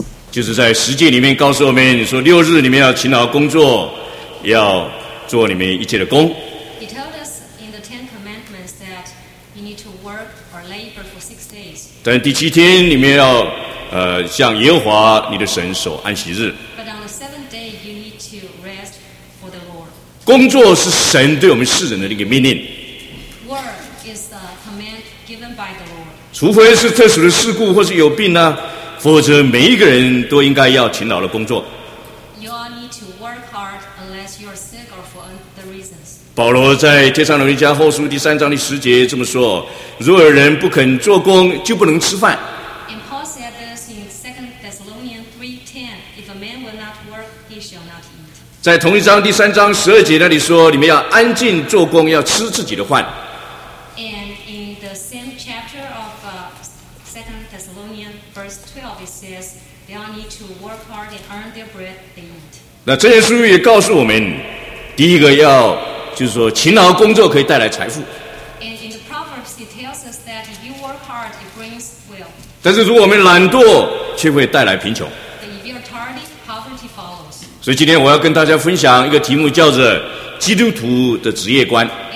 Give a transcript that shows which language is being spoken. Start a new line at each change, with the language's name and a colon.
Chinese: 就是在实践里面告诉我们说，六日你们要勤劳工作，要做你们一切的工。
English: He told us in the Ten Commandments that you need to work or labor for six days.
Chinese: 但第七天你们要向耶和华你的神守安息日。
English: But on the seventh day you need to rest for the Lord.
Chinese: 工作是神对我们世人的一个命令。
English: Work is the command given by the Lord.
Chinese: 除非是特殊的事故或是有病呢、啊。否则每一个人都应该要勤劳的工作。
English: You all need to work hard unless you are sick or for other reasons.
Chinese: 保罗在帖撒罗尼迦后书第三章第十节这么说，如果人不肯做工就不能吃饭。
English: And Paul said this in 2 Thessalonians 3:10, if a man will not work, he shall not eat.
Chinese: 在同一章第三章十二节那里说，你们要安静做工，要吃自己的饭。
English: And in the same chapter of 2 Thessalonians verse 12, it says they all need to work hard and earn their bread they eat.
Chinese: 那这些书也告诉我们，第一个要就是说勤劳工作可以带来财富。
English: And in the Proverbs it tells us that if you work hard it brings wealth.
Chinese: 但是如果我们懒惰却会带来贫穷。
English: But if you are tardy, poverty follows.
Chinese: 所以今天我要跟大家分享一个题目，叫做基督徒的职业观。